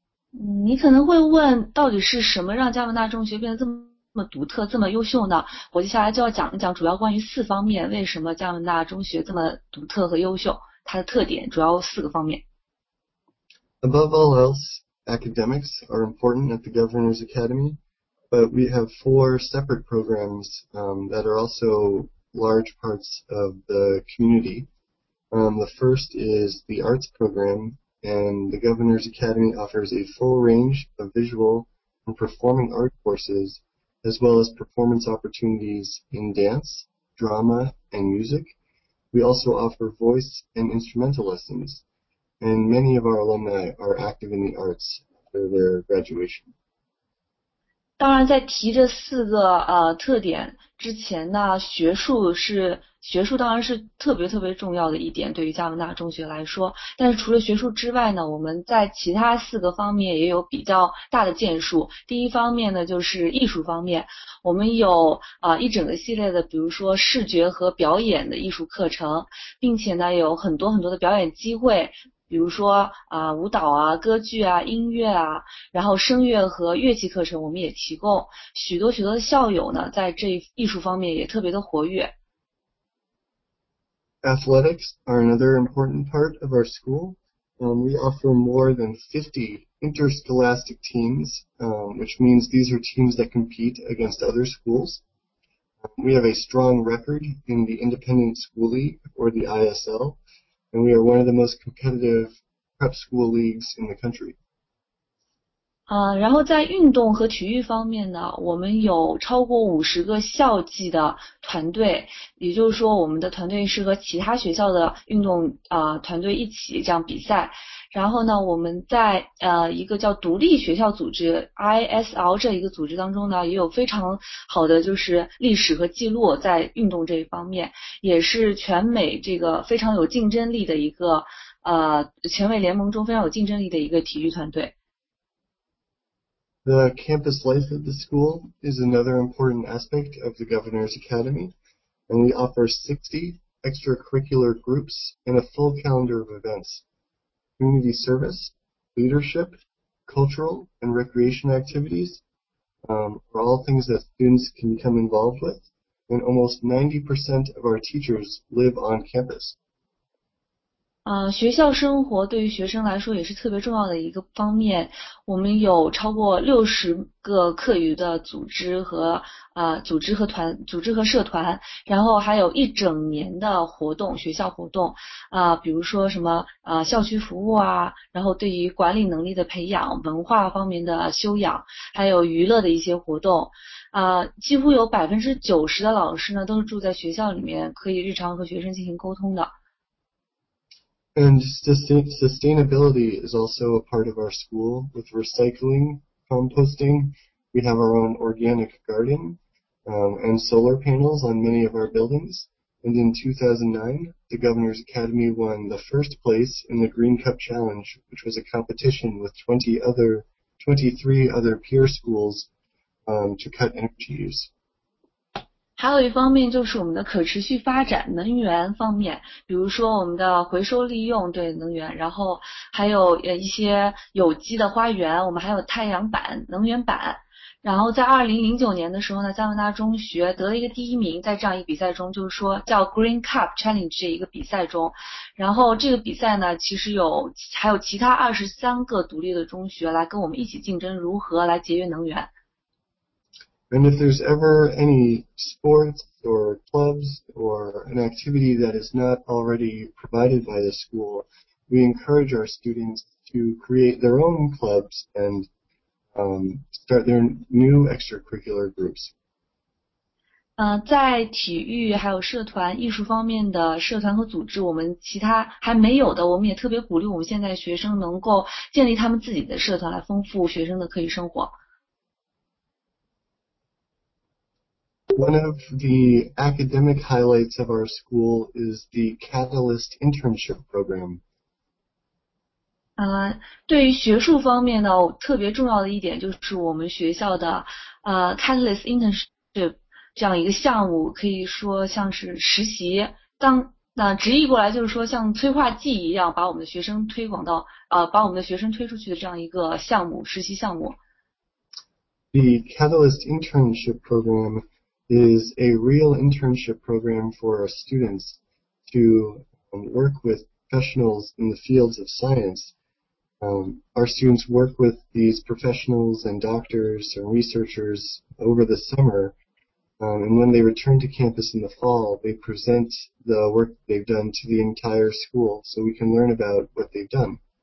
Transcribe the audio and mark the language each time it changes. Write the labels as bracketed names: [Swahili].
[Chinese] 你可能会问，到底是什么让加拿大中学变得这么独特，这么优秀呢？我接下来就要讲一讲主要关于四方面，为什么加拿大中学这么独特和优秀，它的特点主要四个方面。 [English] Above all else, academics are important at the Governor's Academy, but we have four separate programs that are also large parts of the community. The first is the arts program, and the Governor's Academy offers a full range of visual and performing art courses, as well as performance opportunities in dance, drama, and music. We also offer voice and instrumental lessons, and many of our alumni are active in the arts after their graduation. [Chinese] 当然在提这四个特点之前呢，学术当然是特别特别重要的一点对于加拿大中学来说，但是除了学术之外呢，我们在其他四个方面也有比较大的建树。第一方面呢就是艺术方面，我们有一整个系列的比如说视觉和表演的艺术课程，并且呢有很多很多的表演机会，比如说舞蹈啊、歌剧啊、音乐啊，然后声乐和乐器课程我们也提供，许多许多的校友呢在这艺术方面也特别的活跃。 [English] Athletics are another important part of our school. We offer more than 50 interscholastic teams, which means these are teams that compete against other schools. We have a strong record in the Independent School League, or the ISL, and we are one of the most competitive prep school leagues in the country. [Chinese] 然后在运动和体育方面呢，我们有超过50个校际的团队，也就是说我们的团队是和其他学校的运动团队一起这样比赛。然后呢我们在一个叫独立学校组织 ISL 这一个组织当中呢，也有非常好的就是历史和记录在运动这一方面，也是全美这个非常有竞争力的一个全美联盟中非常有竞争力的一个体育团队。 [English] The campus life of the school is another important aspect of the Governor's Academy, and we offer 60 extracurricular groups and a full calendar of events, community service, leadership, cultural, and recreation activities, are all things that students can become involved with, and almost 90% of our teachers live on campus. [Chinese] 学校生活对于学生来说也是特别重要的一个方面。我们有超过60个课余的组织和组织和团组织和社团，然后还有一整年的活动，学校活动比如说什么校区服务啊，然后对于管理能力的培养、文化方面的修养，还有娱乐的一些活动，几乎有90%的老师呢都是住在学校里面，可以日常和学生进行沟通的。 [English] And sustainability is also a part of our school with recycling, composting. We have our own organic garden, and solar panels on many of our buildings. And in 2009, the Governor's Academy won the first place in the Green Cup Challenge, which was a competition with 23 other peer schools, to cut energy use. [Chinese] 还有一方面就是我们的可持续发展能源方面，比如说我们的回收利用对能源，然后还有一些有机的花园，我们还有太阳板、能源板。然后在2009年的时候呢，加拿大中学得了一个第一名，在这样一个比赛中，就是说叫 Green Cup Challenge 这一个比赛中，然后这个比赛呢，其实还有其他23个独立的中学来跟我们一起竞争，如何来节约能源。 [English] And if there's ever any sports or clubs or an activity that is not already provided by the school, we encourage our students to create their own clubs and start their new extracurricular groups. [Chinese] 在体育还有社团、艺术方面的社团和组织，我们其他还没有的，我们也特别鼓励我们现在学生能够建立他们自己的社团，来丰富学生的课余生活。 [English] One of the academic highlights of our school is the Catalyst Internship Program. [Chinese] 对于学术方面呢，特别重要的一点就是我们学校的Catalyst Internship。这样一个项目可以说像是实习，直译过来就是说像催化剂一样，把我们的学生推出去的这样一个项目，实习项目。 [English] The Catalyst Internship Program is a real internship program for our students to work with professionals in the fields of science. Our students work with these professionals and doctors and researchers over the summer, and when they return to campus in the fall, they present the work they've done to the entire school so we can learn about what they've done.